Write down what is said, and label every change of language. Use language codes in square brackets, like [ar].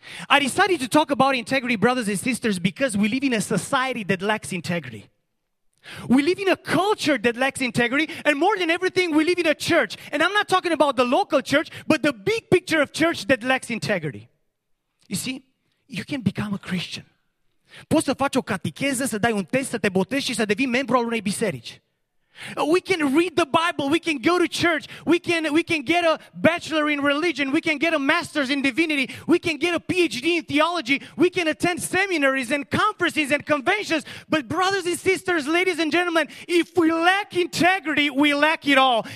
[en] I decided to talk about integrity, brothers and sisters, because we live in a society that lacks integrity. We live in a culture that lacks integrity, and more than everything, we live in a church. And I'm not talking about the local church, but the big picture of church that lacks integrity. You see, you can become a Christian. [ro] Poți să faci o catecheză, să dai un test, să te botezi și să devii membru al unei biserici. [en] We can read the Bible, we can go to church, we can get a bachelor in religion, we can get a master's in divinity, we can get a PhD in theology, we can attend seminaries and conferences and conventions, but brothers and sisters, ladies and gentlemen, if we lack integrity, we lack it all.